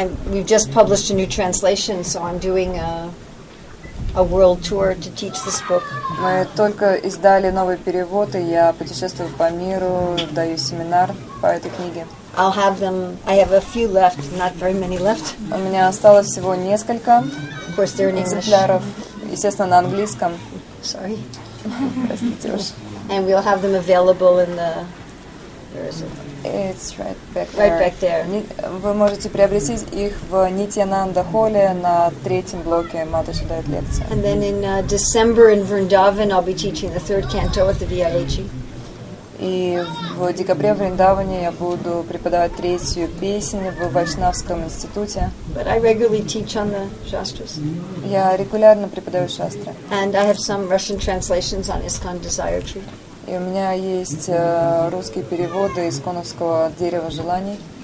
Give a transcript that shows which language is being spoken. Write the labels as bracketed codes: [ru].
[en] We've just published a new translation, so I'm doing a world tour to teach this book. [ru] Мы только издали новый перевод, и я путешествую по миру, даю семинар по этой книге. [en] I'll have them. I have a few left, not very many left. [ru] У меня осталось всего несколько. [en] Of course, they're in English. [ru] Естественно, на английском. [en] Sorry. And we'll have them available in the. It's right back there. Right back there. [ru] Вы можете приобрести их в Нитьянанда Холле на третьем блоке Матаджи дает лекции. [en] And then in December in Vrindavan I'll be teaching the third canto at the VIHE. [ru] И в декабре в Вриндаване я буду преподавать третью песню в Вайшнавском институте. [en] But I regularly teach on the shastras. [ru] Я регулярно преподаю шастры. [en] And I have some Russian translations on ISKCON Desire Tree. [ru] И у меня есть русские переводы из Коновского дерева желаний.